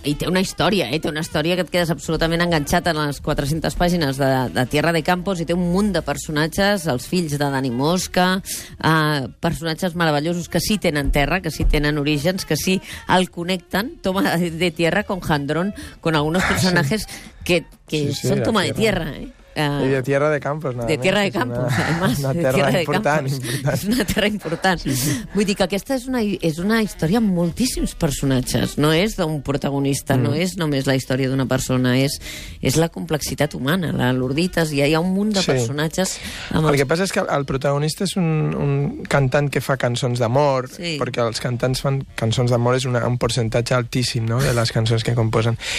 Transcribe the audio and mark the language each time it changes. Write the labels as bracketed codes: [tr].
[ca] I té una història, eh? Té una història que et quedes absolutament enganxat en les 400 pàgines de Tierra de Campos, i té un munt de personatges, els fills de Dani Mosca, personatges meravellosos que sí tenen terra, que sí tenen orígens, que sí el connecten, Toma de Tierra, [es] con Jandrón, con algunos personajes que son Toma de Tierra, [ca] eh? [es] Y de Tierra de Campos, nada de Tierra de Campos, además. [ca] Una terra important. Sí. Vull dir que aquesta és una història amb moltíssims personatges. No és d'un protagonista, no és només la història d'una persona, és la complexitat humana, l'Urdites, i hi ha un munt de personatges. El que passa és que el protagonista és un cantant que fa cançons d'amor, perquè els cantants fan cançons d'amor, és un percentatge altíssim, no?, de les cançons que composen.